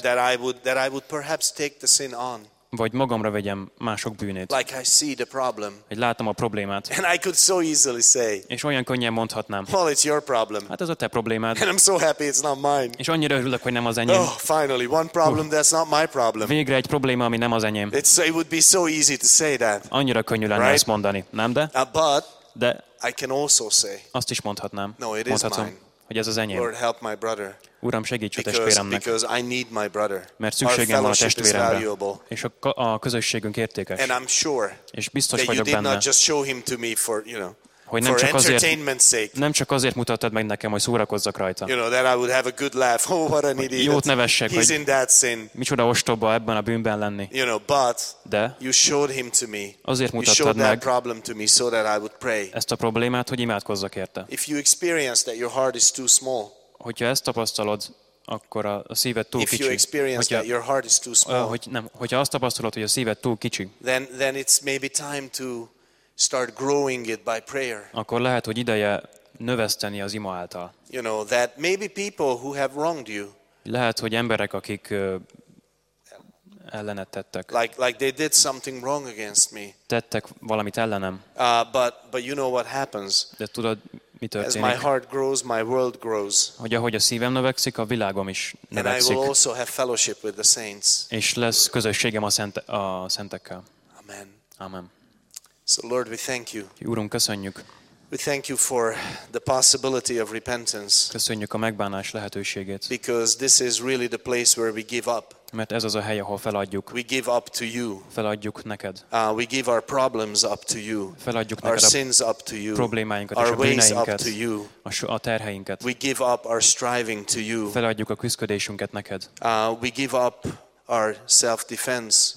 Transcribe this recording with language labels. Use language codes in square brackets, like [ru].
[en] That I would perhaps take the sin on. [hu] Vagy magamra vegyem mások bűnét. [en] Like I see the problem. [hu] Hogy látom a problémát. [en] And I could so easily say. [hu] És olyan könnyen mondhatnám. [en] Well, it's your problem. [hu] Hát ez a te problémád. [en] And I'm so happy it's not mine. [hu] És annyira örülök, hogy nem az enyém. [en] Oh, finally one problem that's not my problem. [hu] Végre egy probléma, ami nem az enyém. [en] It would be so easy to say that. [hu] Annyira könnyű lenne ezt mondani, nem de? [en] But [hu] de [en] I can also say. [hu] Azt is mondhatnám. [en] No, it is mine. [hu] Hogy ez az enyém. [en] Lord, help my brother. [hu] Uram, segíts a testvéremnek. [en] I need my brother. [hu] Mert szükségem van a testvéremre. És a közösségünk értékes. [en] And I'm sure. [hu] És biztos vagyok benne. [en] You did not just show him to me for, you know, [hu] hogy nem csak azért, [en] entertainment sake. [hu] Nem csak azért mutattad meg nekem, hogy szórakozzak rajta. [en] You know, that I would have a good laugh. Oh, what an idiot. [hu] Jót nevessek, [en] he's in that sin. [hu] Micsoda ostoba ebben a bűnben lenni. [en] You know, but [hu] de [en] you showed him to me. [hu] Azért mutattad [en] you showed [hu] meg [en] that problem to me so that I would pray. [hu] Ezt a problémát, hogy imádkozzak érte. [en] If you experience that your heart is too small. [hu] Hogyha ezt tapasztalod, akkor a szíved túl [en] if [hu] kicsi. [en] You experience that your heart is too small. [hu] Hogyha azt tapasztalod, hogy a szíved túl kicsi. [en] Then it's maybe time to start growing it by prayer. [hu] Akkor lehet, hogy ideje növeszteni az ima által. [en] You know that maybe people who have wronged you. [hu] Lehet, hogy emberek, akik ellenet tettek. [en] Like they did something wrong against me. [hu] Tettek valamit ellenem. [en] But you know what happens. [hu] De tudod, mi történik? [en] As my heart grows, my world grows. [hu] Hogy ahogy a szívem növekszik, a világom is növekszik. [en] And I will also have fellowship with the saints. [hu] És lesz közösségem a szentekkel. [en] Amen. [hu] Amen. [en] So Lord, we thank you. [hu] Uram, köszönjük. [en] We thank you for the possibility of repentance. [hu] Köszönjük a megbánás lehetőségét. [en] Because this is really the place where we give up. [hu] Mert ez az a hely, ahol feladjuk. [en] We give up to you. [hu] Feladjuk neked. [en] We give our problems up to you. [hu] Feladjuk [en] our [hu] neked [en] sins up to you. [hu] Problémáinkat [en] our [hu] és a [en] ways up to you. [hu] A terheinket. [en] We give up our striving to you. [hu] Feladjuk a küzdködésünket neked. [en] We give up our self-defense.